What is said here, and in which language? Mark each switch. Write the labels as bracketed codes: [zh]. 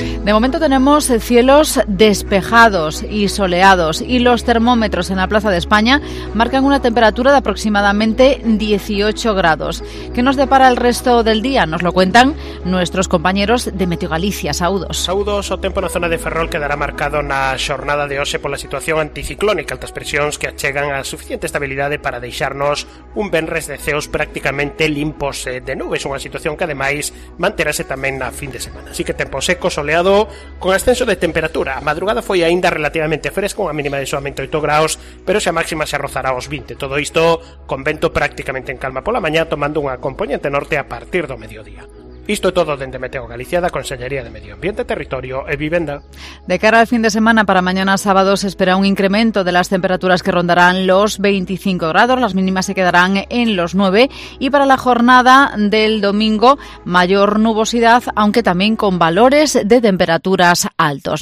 [es] De momento tenemos cielos despejados y soleados, y los termómetros en la Plaza de España marcan una temperatura de aproximadamente 18 grados. ¿Qué nos depara el resto del día? Nos lo cuentan nuestros compañeros de Meteo Galicia. [gl] Saudos. Saudos. O tempo na zona de Ferrol quedará marcado na xornada de hoxe pola situación anticiclónica, altas presións que achegan a suficiente estabilidade para deixarnos un venres de ceos prácticamente limpos de nubes, unha situación que ademais manterase tamén na fin de semana. Así que tempo seco, soleado, con ascenso de temperatura. A madrugada foi aínda relativamente fresca, unha mínima de solamente 8 graus, pero xa máxima se rozará os 20. Todo isto con vento prácticamente en calma pola mañá, tomando unha compoñente norte a partir do mediodía. Isto é todo dende Meteo Galicia da Consellería de Medio Ambiente, Territorio e Vivenda. [es] De cara al fin de semana, para mañana sábado, se espera un incremento de las temperaturas que rondarán los 25 grados, las mínimas se quedarán en los 9, y para la jornada del domingo, mayor nubosidad, aunque también con valores de temperaturas altos.